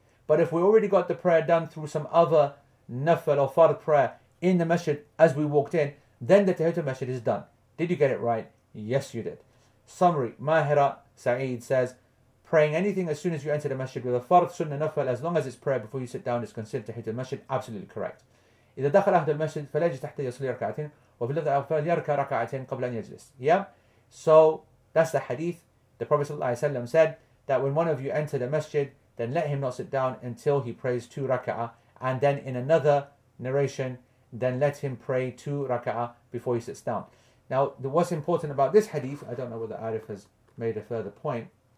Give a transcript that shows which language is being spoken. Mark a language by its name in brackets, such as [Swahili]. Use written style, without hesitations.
[English] But if we already got the prayer done through some other nafil or fard prayer in the masjid as we walked in, then the tahiyyatul masjid is done. Did you get it right? Yes, you did. Summary, Mahira Saeed says, praying anything as soon as you enter the masjid with a fard, sunnah, nafil, as long as it's prayer before you sit down, is considered tahiyyatul masjid. Absolutely correct. [Arabic] إذا دخل أحد المسجد فلا يجلس تحت يصلي ركعتين وفي اللفظ الآخر فليركع ركعتين قبل أن يجلس. [English] Yeah? So, that's the hadith. The Prophet ﷺ said, that when one of you enter the masjid, then let him not sit down until he prays two raka'ah. And then in another narration, then let him pray two raka'ah before he sits down. Now, what's important about this hadith, I don't know whether Arif has made a further point.